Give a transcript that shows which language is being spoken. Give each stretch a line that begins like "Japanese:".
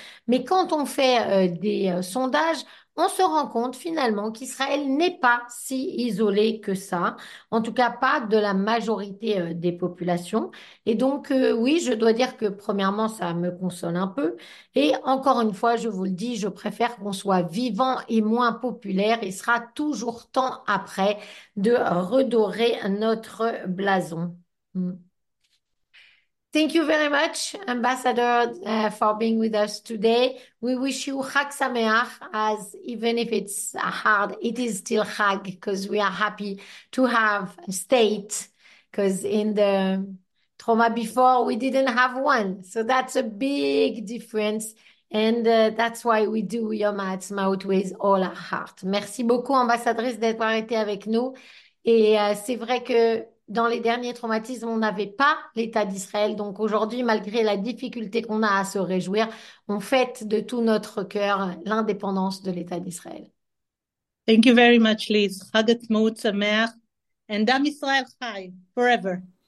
French: Mais quand on fait des sondages, on se rend compte finalement qu'Israël n'est pas si isolé que ça, en tout cas pas de la majorité des populations. Et donc, oui, je dois dire que premièrement, ça me console un peu. Et encore une fois, je vous le dis, je préfère qu'on soit vivant et moins populaire. Il sera toujours temps après de redorer notre blason.
English: Thank you very much, Ambassador, for being with us today. We wish you Chag Sameach, as even if it's hard, it is still Chag, because we are happy to have a state, because in the trauma before, we didn't have one. So that's a big difference, and that's why we do Yom HaAtzmaut with all our heart.
French: Merci beaucoup, Ambassadrice, d'avoir été avec nous. Et c'est vrai que dans les derniers traumatismes, on n'avait pas l'État d'Israël. Donc aujourd'hui, malgré la difficulté qu'on a à se réjouir, on fête de tout notre cœur l'indépendance de l'État d'Israël.
English: Thank you very much, Liz. Chag Atzmaut Sameach, and Am Yisrael Chai, forever.